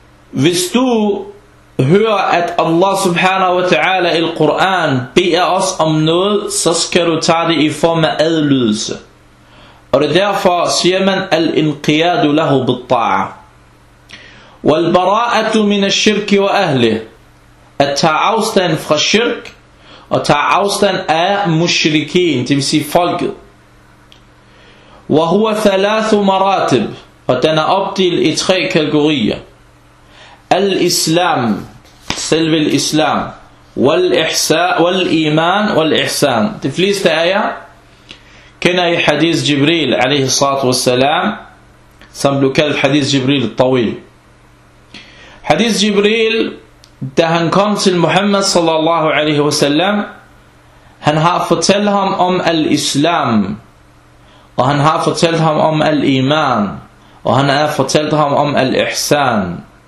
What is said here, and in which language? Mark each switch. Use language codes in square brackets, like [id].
[da] hvis du hører at Allah subhanahu wa ta'ala i Quran beder os om noget så skal du tage det i form af adlydelse og det derfor siger man al-inqiyad [ar] له بالطاعة والبراءة من الشرك وأهله [da] at tage afstand fra shirk og tage afstand af mushrikeen, det vil sige folket. [ar] وهو ثلاث مراتب [da] og den er opdelt i tre kategorier. [ar] الإسلام selv الإسلام والإيمان والإحسان. [da] De fleste af jer kender i hadith Jibril عليه الصلاة والسلام som blev kaldt hadith Jibril الطويل. Hadith Jibril, da han kom til Muhammad sallallahu alaihi wasallam, han har fortalt ham om al-islam, og han har fortalt ham om al-iman, og han har fortalt ham om al-ihsan.